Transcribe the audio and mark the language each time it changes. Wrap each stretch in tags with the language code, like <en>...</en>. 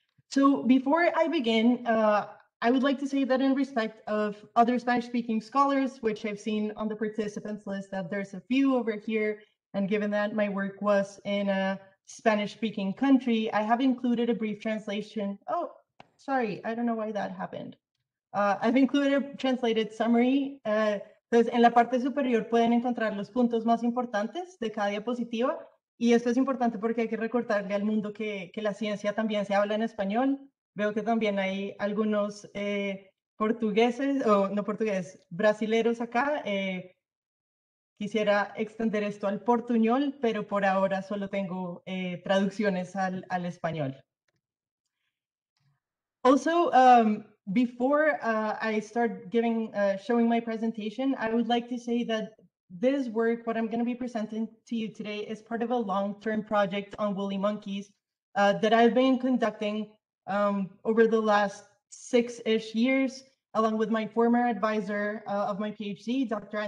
<en>So before I begin, I would like to say that in respect of other Spanish-speaking scholars, which I've seen on the participants list, that there's a few over here, and given that my work was in a Spanish-speaking country, I have included a brief translation. Oh, sorry, I don't know why that happened. I've included a translated summary.</en> <es>Entonces, en la parte superior pueden encontrar los puntos más importantes de cada diapositiva. Y esto es importante porque hay que recordarle al mundo que la ciencia también se habla en español. Veo que también hay algunos portugueses, o no portugueses, brasileros acá. Quisiera extender esto al portuñol, pero por ahora solo tengo traducciones al español.</es> <en>Also, before I start showing my presentation, I would like to say that this work, what I'm going to be presenting to you today, is part of a long-term project on woolly monkeys that I've been conducting over the last 6-ish years, along with my former advisor of my PhD, Dr.</en>